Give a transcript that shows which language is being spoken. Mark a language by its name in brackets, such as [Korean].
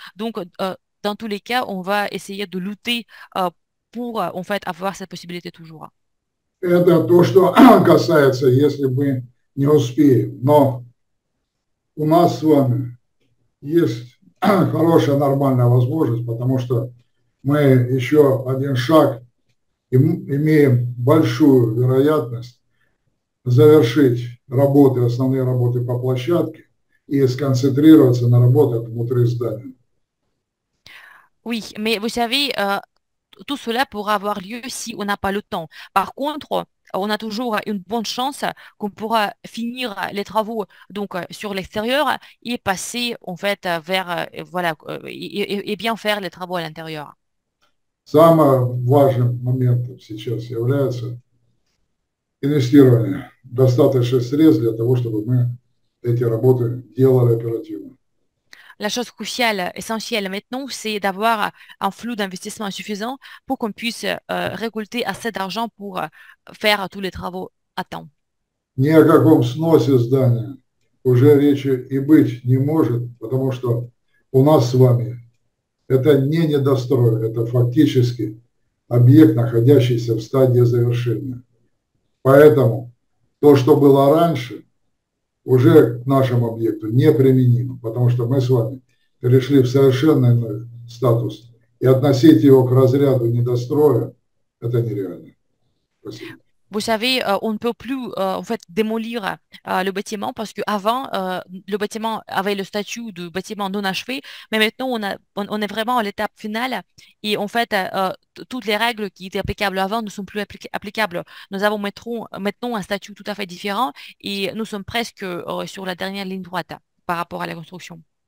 [French] Donc, dans tous les cas, on va essayer de lutter pour en fait avoir cette possibilité toujours. [Russian] Это то, что касается, если мы не успеем. Но у нас с вами есть хорошая, нормальная возможность, потому что мы еще один шаг и имеем большую вероятность завершить работы, основные работы по площадке и сконцентрироваться на работах внутри здания. [French] Oui, mais vous savez, tout cela pourra avoir lieu si on n'a pas le temps. Par contre, on a toujours une bonne chance qu'on pourra finir les travaux donc sur l'extérieur et passer en fait vers voilà et bien faire les travaux à l'intérieur. [Russian] Самым важным моментом сейчас является инвестирование достаточных средств для того, чтобы мы эти работы делали оперативно. [French] La chose cruciale, essentielle maintenant, c'est d'avoir un flux d'investissement suffisant pour qu'on puisse récolter assez d'argent pour faire tous les travaux à temps. [Russian] Ни о каком сносе здания уже речи и быть не может, потому что у нас с вами это не недострой, это фактически объект, находящийся в стадии завершения. Поэтому то, что было раньше, уже к нашему объекту неприменимо, потому что мы с вами перешли в совершенно иной статус, и относить его к разряду недостроя, это нереально. Спасибо. [French] Vous savez, on ne peut plus en fait démolir le bâtiment parce qu'avant, le bâtiment avait le statut de bâtiment non achevé, mais maintenant, on est vraiment à l'étape finale et en fait, toutes les règles qui étaient applicables avant ne sont plus applicables. Nous avons maintenant un statut tout à fait différent et nous sommes presque sur la dernière ligne droite par rapport à la construction.